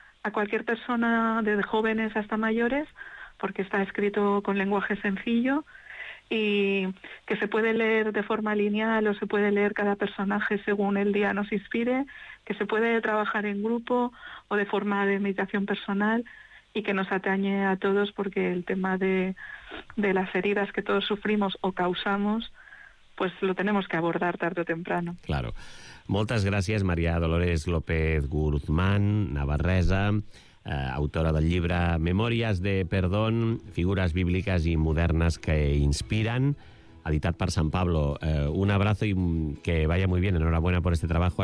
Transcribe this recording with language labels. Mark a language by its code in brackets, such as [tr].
[es] a cualquier persona, desde jóvenes hasta mayores, porque está escrito con lenguaje sencillo y que se puede leer de forma lineal o se puede leer cada personaje según el día nos inspire, que se puede trabajar en grupo o de forma de meditación personal y que nos atañe a todos, porque el tema de las heridas que todos sufrimos o causamos, pues lo tenemos que abordar tarde o temprano. Claro. [ca] Moltes gràcies, Maria Dolores López Guzmán, navarresa, autora del llibre Memòries de Perdón, figures bíbliques i modernes que inspiren, editat per San Pablo. [es] Un abrazo y que vaya muy bien. Enhorabuena por este trabajo.